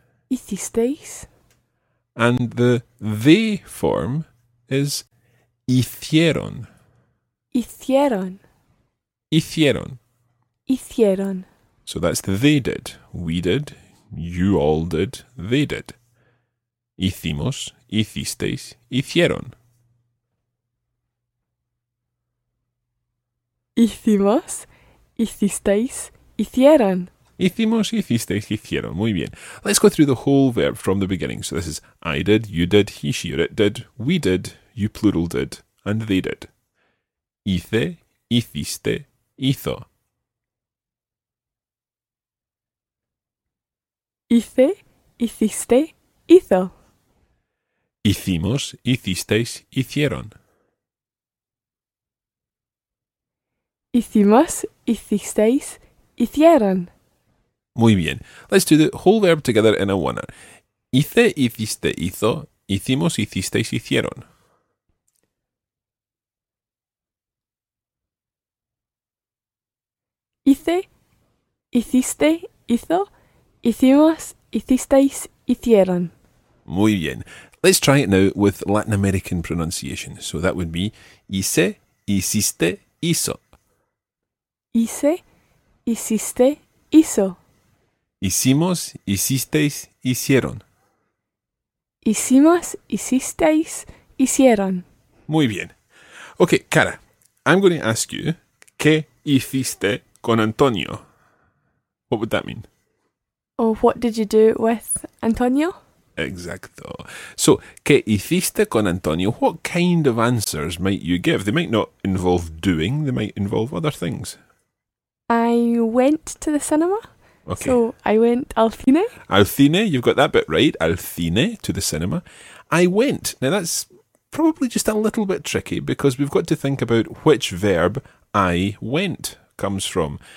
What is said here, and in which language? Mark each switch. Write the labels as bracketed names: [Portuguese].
[Spanish] Hicisteis. [English] And the they form is [Spanish] hicieron. Hicieron. Hicieron. Hicieron. [English] So that's they did, we did, you all did, they did. [Spanish] Hicimos, hicisteis, hicieron. Hicimos, hicisteis, hicieron. Hicimos, hicisteis, hicieron. Muy bien. [English] Let's go through the whole verb from the beginning. So this is I did, you did, he, she, or it did, we did, you plural did, and they did. [Spanish] Hice, hiciste, hizo. Hice, hiciste, hizo. Hicimos, hicisteis, hicieron. Hicimos, hicisteis, hicieron. Muy bien. [English] Let's do the whole verb together in a one-er. [Spanish] Hice, hiciste, hizo. Hicimos, hicisteis, hicieron. hice, hiciste, hizo, hicimos, hicisteis, hicieron. Muy bien. [English] Let's try it now with Latin American pronunciation. So that would be [Spanish] hice, hiciste, hizo. Hice, hiciste, hizo. Hicimos, hicisteis, hicieron. Hicimos, hicisteis, hicieron. Muy bien. [English] Okay, Cara, I'm going to ask you, [Spanish] ¿qué hiciste con Antonio? [English] What would that mean? Oh, what did you do with Antonio? [Spanish] Exacto. [English] So, [Spanish] ¿qué hiciste con Antonio? [English] What kind of answers might you give? They might not involve doing, they might involve other things. I went to the cinema. Okay. So, I went [Spanish] al cine. Al cine, [English] you've got that bit right. Al cine, to the cinema. I went. Now, that's probably just a little bit tricky because we've got to think about which verb I went comes from.